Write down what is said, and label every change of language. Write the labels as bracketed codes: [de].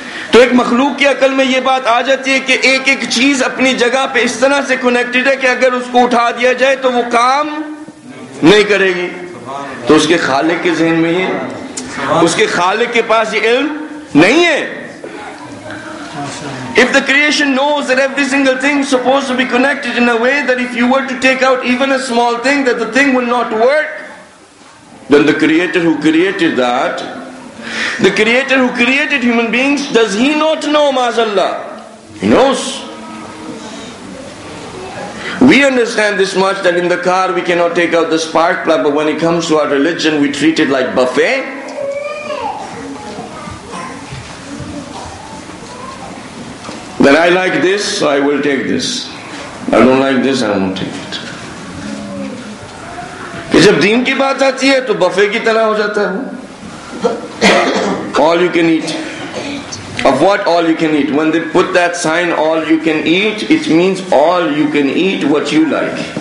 [ur] تو ایک مخلوق کی عقل میں یہ بات آ جاتی ہے کہ ایک ایک چیز اپنی جگہ پہ اس طرح سے کنیکٹڈ ہے کہ اگر اس کو اٹھا دیا جائے تو وہ کام نہیں کرے گی. تو اس کے خالق کے ذہن میں ہی ہے, اس کے خالق کے پاس یہ علم نہیں ہے. [en] If the creation knows that every single thing is supposed to be connected in a way that if you were to take out even a small thing that the thing will not work, then the creator who created that, the creator who created human beings, does he not know, mazallah? He knows. We understand this much, that in the car we cannot take out the spark plug, but when it comes to our religion, we treat it like buffet. That I like this, so I will take this. I don't like this, I won't take it. [ur] جب دین کی بات آتی ہے تو buffet کی طرح ہو جاتا ہے. [en] All you can eat. Of what all you can eat? When they put that sign, all you can eat, it means all you can eat what you like.